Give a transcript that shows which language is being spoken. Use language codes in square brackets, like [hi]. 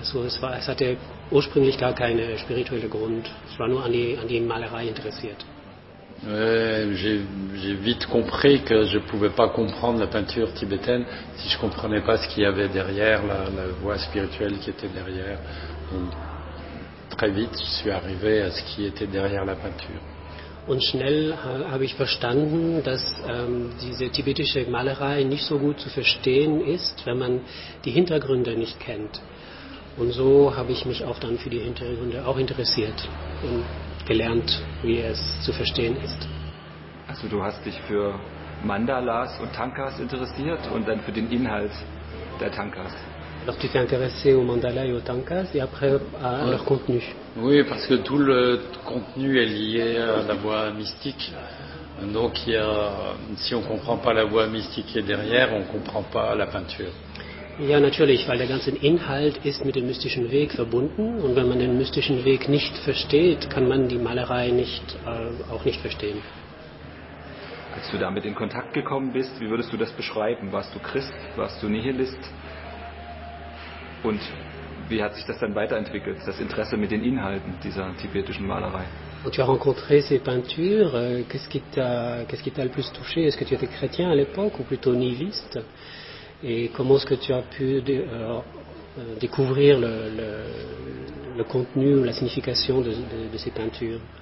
[de] So, es hatte ursprünglich gar keinen spirituellen Grund. Ich war nur an die Malerei interessiert. [fr] J'ai vite compris que je pouvais pas comprendre la peinture tibétaine si je comprenais pas ce qu'il y avait derrière la voie spirituelle qui était derrière. Donc, très vite, je suis arrivé à ce qui était derrière la peinture. [de] Und schnell habe ich verstanden, dass diese tibetische Malerei nicht so gut zu verstehen ist, wenn man die Hintergründe nicht kennt. Und so habe ich mich auch dann für die Hintergründe auch interessiert und gelernt, wie es zu verstehen ist. Also du hast dich für Mandalas und Tankas interessiert und dann für den Inhalt der Tankas. [fr] Alors tu t'es intéressé aux mandalas et aux tankas et après à leur contenu. Oui, parce que tout le contenu est lié à la voie mystique. Donc si on ne comprend pas la voie mystique qui est derrière, on ne comprend pas la peinture. [de] Ja, natürlich, weil der ganze Inhalt ist mit dem mystischen Weg verbunden. Und wenn man den mystischen Weg nicht versteht, kann man die Malerei auch nicht verstehen. Als du damit in Kontakt gekommen bist, wie würdest du das beschreiben? Warst du Christ? Warst du Nihilist? Und wie hat sich das dann weiterentwickelt, das Interesse mit den Inhalten dieser tibetischen Malerei? [fr] Und tu as rencontré ces peintures, qu'est-ce qui t'a le plus touché? Est-ce que tu étais chrétien à l'époque ou plutôt nihiliste? Et comment est-ce que tu as pu découvrir le contenu ou la signification de ces peintures?